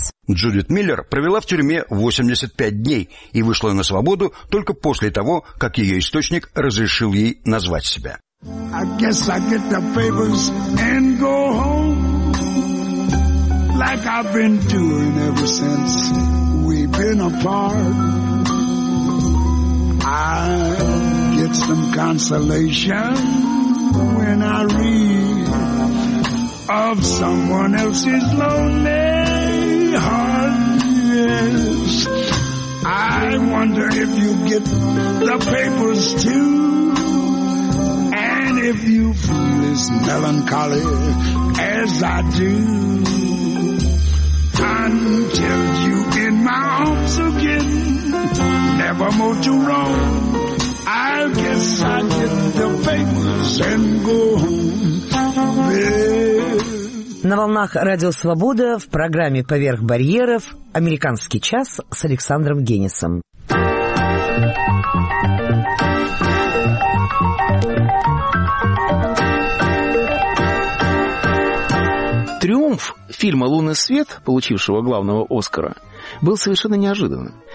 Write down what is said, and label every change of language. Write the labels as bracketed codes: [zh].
[ru] Джудит Миллер провела в тюрьме 85 дней и вышла на свободу только после того, как ее источник разрешил ей назвать себя. [en] I guess I get the papers and go home like I've been doing ever since we've been apart. I get some consolation when I read of someone else's lonely heart. Yes, I wonder if you get the papers too, and if you feel as melancholy as I do. Until you in my arms again, never more to roam, I guess I get the papers and go home. [ru] На волнах Радио Свобода в программе «Поверх барьеров» «Американский час» с Александром Генисом. Триумф фильма «Лунный свет», получившего главного «Оскара», был совершенно неожиданным.